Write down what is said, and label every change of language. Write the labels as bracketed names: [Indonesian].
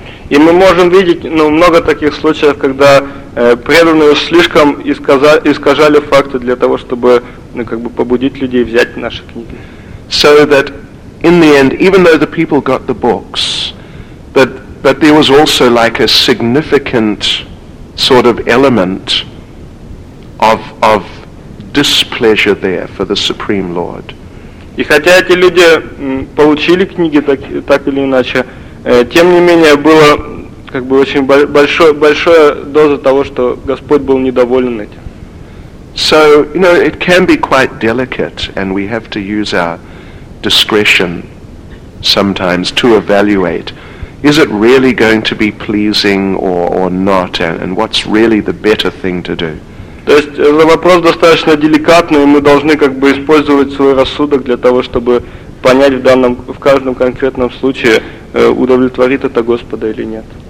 [Russian] И мы можем видеть, ну, много таких случаев, когда преданные слишком искажали факты для того, чтобы, ну, как бы побудить людей взять наши книги. [English] So that in the end, even though the people got the books, but there was also like a significant sort of element of displeasure there for the Supreme Lord. [Russian] И хотя эти люди получили книги так или иначе, тем не менее было как бы очень большая доза того, что Господь был недоволен этим. [English] So, you know, it can be quite delicate, and we have to use our discretion sometimes to evaluate, is it really going to be pleasing or not, and what's really the better thing to do? [Russian] То есть вопрос достаточно деликатный, и мы должны как бы использовать свой рассудок для того, чтобы понять в каждом конкретном случае, удовлетворит это Господа или нет.